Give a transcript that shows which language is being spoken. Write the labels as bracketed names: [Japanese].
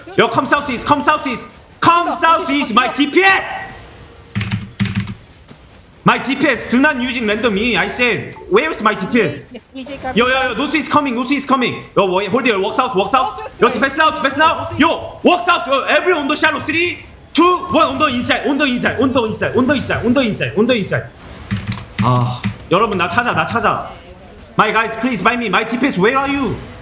[English] Yo, come south east, come south east, come south east. My DPS, my DPS. Do not using random E. I said, where is my DPS? Yo, yo, yo. North east coming, north east coming. Yo, hold here. Walk south, walk south. Yo, defense out, defense out. Yo, walk south. Yo, every on the shallow. 3, 2, 1. On the inside, on the inside, on the inside, on the inside, on the inside, on the inside. [Korean] Ah, 여러분 나 찾아, 나 찾아. [English] My guys, please find me. My DPS, where are you?